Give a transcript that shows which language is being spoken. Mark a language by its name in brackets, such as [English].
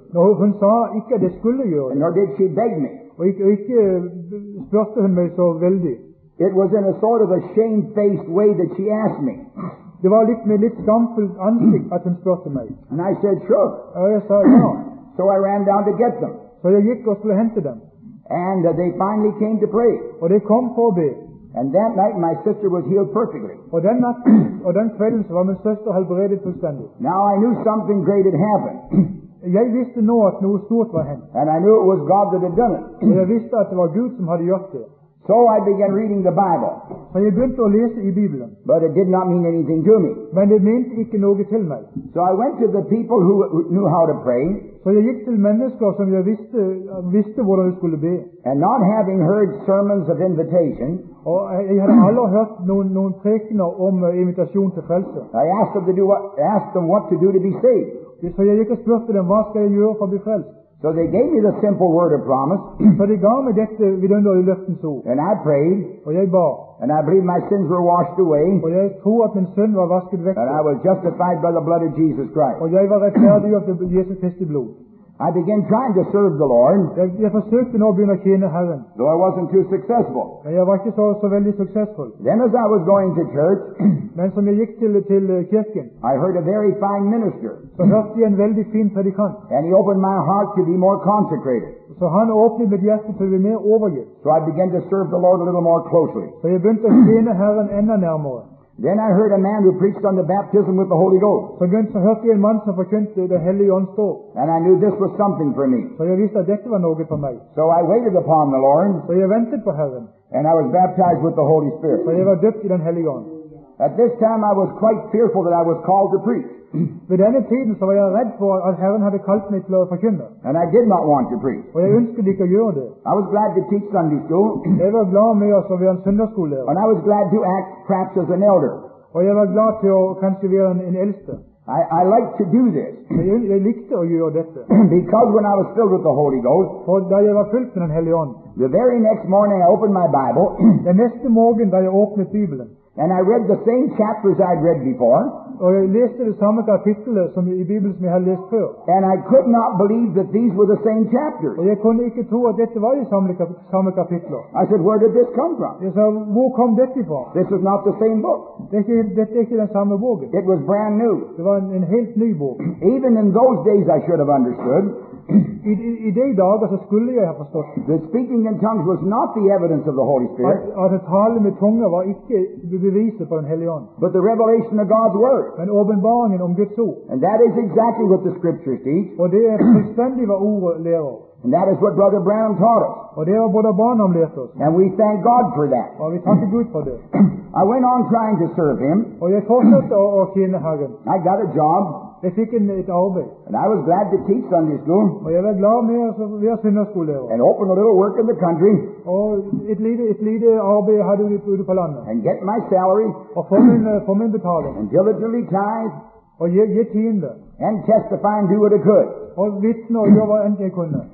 [Norwegian] No, hun sa ikke det skulle gjøre. [English] Nor did she beg me. [Norwegian] Og ikke spurte hun meg så veldig. [English] It was in a sort of a shamefaced way that she asked me. [Norwegian] Det var litt med litt skamfullt ansikt at hun spurte meg. [English] And I said, "Sure." [Norwegian] Og jeg sa ja. [English] So I ran down to get them. [Norwegian] Så jeg gikk og skulle hente dem. [English] And they finally came to pray. [Norwegian] Og de kom for å be. [English] And that night my sister was healed perfectly. [Norwegian] Og den natt, og den kvelden, så var min søster helbredet fullstendig. [English] Now I knew something great had happened. [Norwegian] Jeg visste nå at noe stort var hendt. [English] And I knew it was God that had done it. [Norwegian] Og jeg visste at det var Gud som hadde gjort det. [English] So I began reading the Bible. [Norwegian] Så jeg begynte å lese i Bibelen. [English] But it did not mean anything to me. [Norwegian] Men det mente ikke noe til meg. [English] So I went to the people who knew how to pray. [Norwegian] Så jeg gikk til mennesker som jeg visste hvordan jeg skulle be. [English] And not having heard sermons of invitation. [Norwegian] Og jeg hadde aldri hørt noen prekener om invitasjon til frelse. [English] I asked them what to do to be saved. [Norwegian] Så jeg gikk og spurte dem, hva skal jeg gjøre for å bli frelst? [English] So they gave me the simple word of promise. [Norwegian] Så de ga meg dette vidunderlige løftens ord. [English] And I prayed. [Norwegian] Og jeg ba. [English] And I believe my sins were washed away. [Norwegian] Og jeg tror at min synd var vasket vekk. [English] And I was justified by the blood of Jesus Christ. [Norwegian] Og jeg var rettferdig av Jesus Kristi blod. [English] I began trying to serve the Lord. [Norwegian] Jeg forsøkte nå å begynne å tjene Herren. [English] Though I wasn't too successful. [Norwegian] Men jeg var ikke så veldig successful. [English] Then as I was going to church. [Norwegian] Men som jeg gikk til kirken. [English] I heard a very fine minister. [Norwegian] Så hørte jeg en veldig fin predikant. [English] And he opened my heart to be more consecrated. [Norwegian] Så han åpnet mitt hjerte til å bli mer overgitt. [English] So I began to serve the Lord a little more closely. [Norwegian] Så jeg begynte å tjene Herren enda nærmere. [English] Then I heard a man who preached on the baptism with the Holy Ghost. And I knew this was something for me. So I waited upon the Lord. [Norwegian] So jeg ventet på Herren. [English] And I was baptized with the Holy Spirit. [Norwegian] Så jeg var døpt I den hellige ånd. [English] At this time I was quite fearful that I was called to preach. [Norwegian] Ved denne tiden så var jeg redd for at Herren hadde kalt meg til å forkynne. [English] And I did not want to preach. [Norwegian] Og jeg ønsket ikke å gjøre det. [English] I was glad to teach Sunday school. [Norwegian] Jeg var glad med å være en søndagsskolelærer. [English] And I was glad to act perhaps as an elder. [Norwegian] Og jeg var glad til å kanskje være en eldste. [English] I liked to do this. [Norwegian] Jeg likte å gjøre dette. [English] Because when I was filled with the Holy Ghost. [Norwegian] For da jeg var fylt med den hellige ånd. [English] The very next morning I opened my Bible. [Norwegian] Den neste morgen da jeg åpnet Bibelen. [English] And I read the same chapters I'd read before. [Norwegian] Og jeg leste det samme kapittelet som I Bibelen som jeg hadde lest før. [English] And I could not believe that these were the same chapters. [Norwegian] Og jeg kunne ikke tro at dette var de samme kapitler. [English] I said, where did this come from? [Norwegian] Jeg sa, hvor kom dette fra? [English] This is not the same book. [Norwegian] Dette ikke den samme boken. [English] It was brand new. [Norwegian] Det var en helt ny bok. [English] Even in those days I should have understood. [Norwegian] I de dager så skulle jeg ha forstått. [English] The speaking in tongues was not the evidence of the Holy Spirit. [Norwegian] At tale med tunge var ikke beviset på den hellige ånd. [English] But the revelation of God's word. [Norwegian] Men åpenbaringen om Guds ord. [English] And that is exactly what the scriptures teach. [Norwegian] Og det fullstendig hva ordet lærer. [English] And that is what Brother Branham taught us. [Norwegian] Og det Brother Branham lærte oss. [English] And we thank God for that. [Norwegian] Og vi takker Gud for det. [English] I went on trying to serve him. [Norwegian] Og jeg fortsatte å tjene Herren. [English] I got a job. [Norwegian] Jeg fikk et arbeid. [English] And I was glad to teach Sunday school. [Norwegian] Og jeg var glad med å være søndagsskolelærer. [English] And open a little work in the country. [Norwegian] Og et lite arbeid hadde vi ute på landet. [English] And get my salary. [Norwegian] Og få min betaling. [English] And diligently tithe. [Norwegian] Og gi tiende. [English] And testify and do what I could. [Norwegian] Og vitne og gjøre hva enn jeg kunne.